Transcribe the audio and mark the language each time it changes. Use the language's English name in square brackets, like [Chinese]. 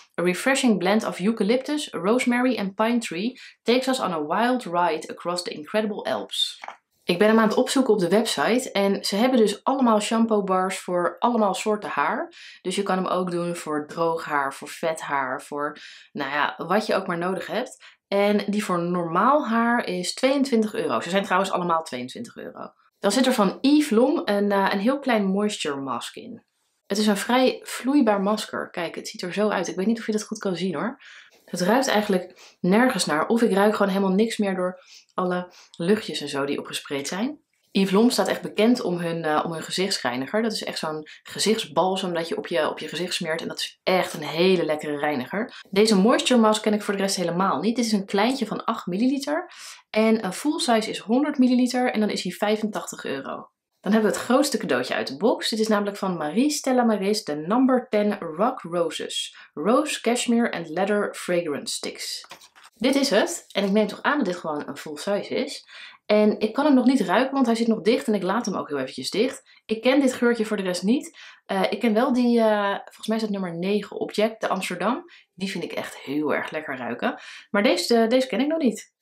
[English] A refreshing blend of eucalyptus, rosemary and pine tree takes us on a wild ride across the incredible Alps. [Dutch] Ik ben hem aan het opzoeken op de website en ze hebben dus allemaal shampoo bars voor allemaal soorten haar. Dus je kan hem ook doen voor droog haar, voor vet haar, voor wat je ook maar nodig hebt. En die voor normaal haar is €22. Ze zijn trouwens allemaal €22. Dan zit er van Yves Lom een heel klein moisture mask in. Het is een vrij vloeibaar masker. Kijk, het ziet er zo uit. Ik weet niet of je dat goed kan zien hoor. Het ruikt eigenlijk nergens naar. Of ik ruik gewoon helemaal niks meer door alle luchtjes en zo die opgespreid zijn. Yves Lom staat echt bekend om hun gezichtsreiniger. Dat is echt zo'n gezichtsbalsem dat je op je gezicht smeert. En dat is echt een hele lekkere reiniger. Deze moisture mask ken ik voor de rest helemaal niet. Dit is een kleintje van 8 ml. En een full size is 100 ml. En dan is hij €85. Dan hebben we het grootste cadeautje uit de box. Dit is namelijk van Marie Stella Maris, de Number 10 Rock Roses. Rose, Cashmere and Leather Fragrance Sticks. Dit is het. En ik neem toch aan dat dit gewoon een full size is. En ik kan hem nog niet ruiken, want hij zit nog dicht en ik laat hem ook heel eventjes dicht. Ik ken dit geurtje voor de rest niet. Ik ken wel die, volgens mij is het nummer 9 object, de Amsterdam. Die vind ik echt heel erg lekker ruiken. Maar deze ken ik nog niet.